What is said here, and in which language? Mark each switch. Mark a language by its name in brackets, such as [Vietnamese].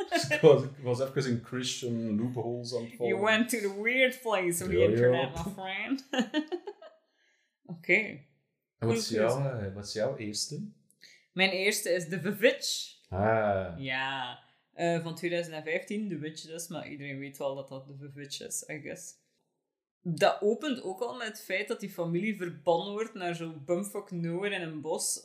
[Dutch] Ik was even in Christian loopholes aan het [English] vallen. You went to the weird place of the internet, my friend. [Dutch] Oké. Okay. Wat is jouw eerste? Mijn eerste is The Witch. Ah. Ja. Van 2015, The Witch dus. Maar iedereen weet wel dat dat The Witch is, [English] I guess. [Dutch] Dat opent ook al met het feit dat die familie verbannen wordt naar zo'n bumfuck nowhere in een bos.